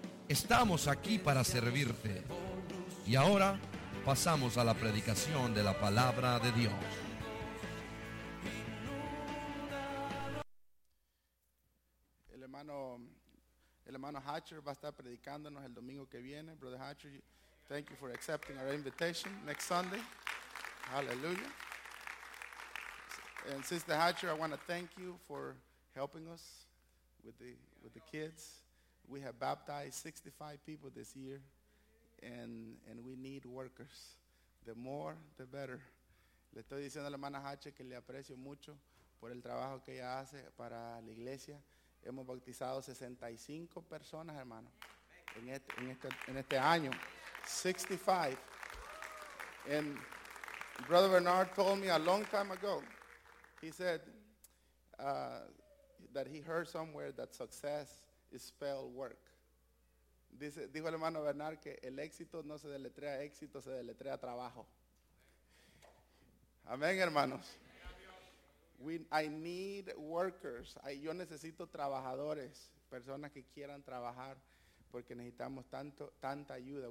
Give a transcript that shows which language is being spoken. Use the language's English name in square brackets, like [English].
[Spanish] Estamos aquí para servirte. Y ahora, pasamos a la predicación de la Palabra de Dios. El hermano Hatcher va a estar predicándonos el domingo que viene. [English] Brother Hatcher, thank you for accepting our invitation next Sunday. Hallelujah. And Sister Hatcher, I want to thank you for helping us with the kids. We have baptized 65 people this year, and we need workers. The more, the better. [Spanish] Le estoy diciendo a la hermana Hatcher que le aprecio mucho por el trabajo que ella hace para la iglesia. Hemos bautizado 65 personas, hermano, en este año. 65. [English] And Brother Bernard told me a long time ago, he said that he heard somewhere that success is spelled work. [Spanish] Dijo el hermano Bernard que el éxito no se deletrea éxito, se deletrea trabajo. Amén, hermanos. [English] I need workers. [Spanish] Yo necesito trabajadores, personas que quieran trabajar, porque necesitamos tanta ayuda.